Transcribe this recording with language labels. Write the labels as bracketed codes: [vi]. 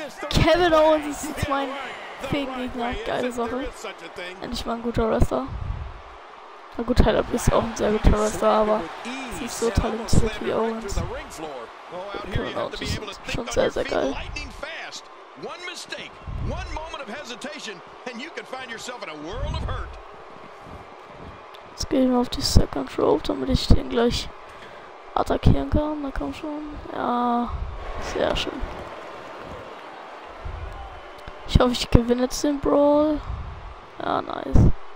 [de] Kevin Owens ist jetzt mein Fegengegner. Geile Sache. Endlich mal ein guter Wrestler. Na gut, Tyler Breeze ist auch ein sehr guter Wrestler, aber ist nicht so talentiert wie Owens. Kevin Owens ist schon sehr, sehr geil. [en] One mistake, one moment of hesitation, and you can find yourself in a world of hurt. [de] Jetzt gehe ich mal auf die Second Rope, damit ich den gleich attackieren kann. Na komm schon. Ja, sehr schön. Ich hoffe, ich gewinne jetzt den Brawl. Ja, nice.